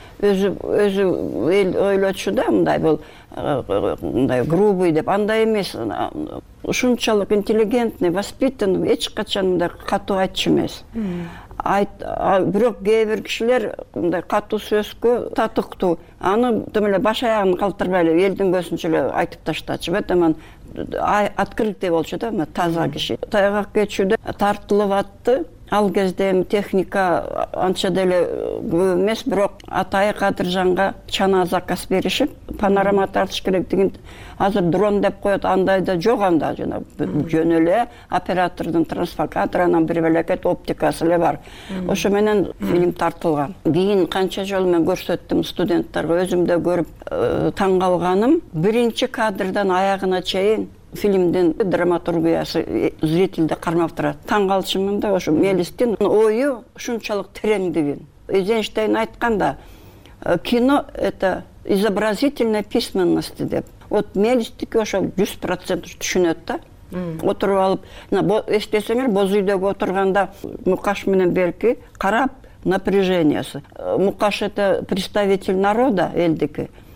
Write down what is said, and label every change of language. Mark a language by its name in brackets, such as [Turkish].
[Kyrgyz] Өзү эл ойлочу да мындай бул мындай грубый деп. Андай эмес. Ушунчалык [Russian] интеллигентный, воспитанный, [Kyrgyz] эч качан мындай катуу айтчу эмес. Айт, бирок кээ бир кишилер мындай катуу сөзгө татыктуу. Аны тим эле баш аягын калтырбай эле элдин көзүнчө эле айтып ташташчы. Бетеман открытый болчу да, таза киши. Тайгак кечүүдө тартылып атты. Ал кезде эми техника анча деле көп эмес, бирок атайы Кадыржанга чана заказ беришип, панорама тартыш керек деген, азыр дрон деп коет, андай да жок анда жана жөн эле оператордун трансфокатрынын бир белекет оптикасы эле бар. Ошо менен фильм тартылган. Кийин канча жолу мен көрсөттүм студенттерге, өзүм да көрүп таң калганым, биринчи кадрдан аягына чейин фильмдин драматургиясы зрителди кармап турат. Таң калышымын да ошо Мелистин ою ушунчалык тереңдигин. [Russian] Эйзенштейн айтканда кино это изобразительная письменность деп. [Kyrgyz] Вот Мелистики ошо 100% түшүнөт да. Отуруп алып, эстесеңер боз үйдөгү отурганда Мукаш менен Берки карап напряжениясы. [Russian] Мукаш это представитель народа элдики.